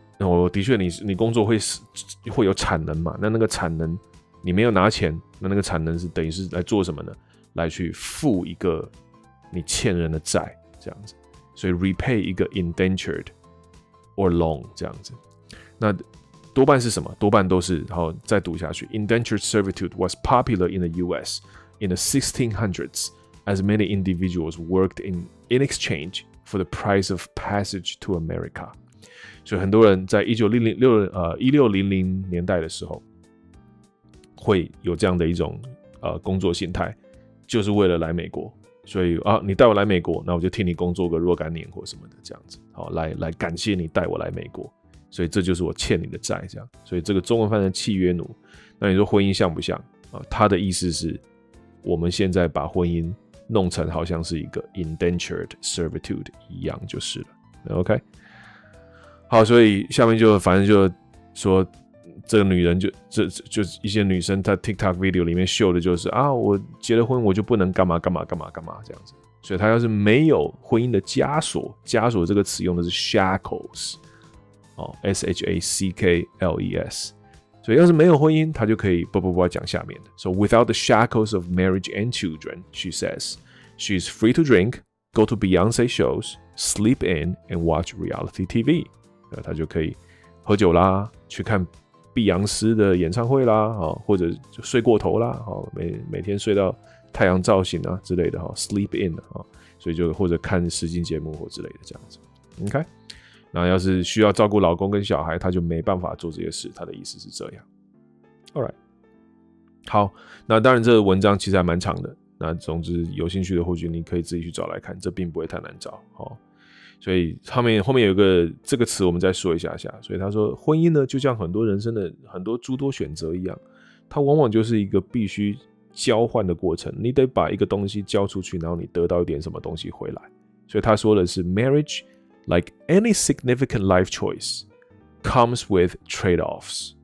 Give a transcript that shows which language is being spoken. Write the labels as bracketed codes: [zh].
[zh] 我的确 你工作 会有产能嘛，那那个产能你没有拿钱，那个产能是等于是来做什么呢？来去付一个你欠人的债这样子，所以 repay 一个 indentured or loan 这样子。那多半是什么？多半都是，好，再读下去。 [en] Indentured servitude was popular in the USIn the 1600s, as many individuals worked in exchange for the price of passage to America. [zh] 所以很多人在1600年代的时候会有这样的一种工作心态，就是为了来美国。所以啊，你带我来美国，那我就替你工作个若干年或什么的这样子，好，来感谢你带我来美国。所以这就是我欠你的债这样。所以这个中文翻译成契约奴。那你说婚姻像不像啊？他的意思是我们现在把婚姻弄成好像是一个 indentured servitude 一样就是了。 OK， 好，所以下面就反正就说这个女人就这就一些女生她 TikTok video 里面秀的就是啊，我结了婚我就不能干嘛干嘛干嘛干嘛这样子。所以她要是没有婚姻的枷锁，枷锁这个词用的是 shackles， S-H-A-C-K-L-E-S。所以要是没有婚姻，他就可以不不不讲下面的。 [en] So without the shackles of marriage and children, she says, she is free to drink, go to Beyonce shows, sleep in, and watch reality TV. [zh] 他就可以喝酒啦，去看碧昂斯的演唱会啦，或者睡过头啦，每天睡到太阳照醒啊之类的 ，sleep in 啊，所以就或者看实境节目或之类的这样子 ，OK。那要是需要照顾老公跟小孩，他就没办法做这些事。他的意思是这样。 All right， 好，那当然这个文章其实还蛮长的。那总之有兴趣的，或许你可以自己去找来看，这并不会太难找。哦、所以后面有一个这个词，我们再说一下下。所以他说，婚姻呢，就像很多人生的很多诸多选择一样，它往往就是一个必须交换的过程。你得把一个东西交出去，然后你得到一点什么东西回来。所以他说的是 marriage。 [en] Like any significant life choice comes with trade-offs.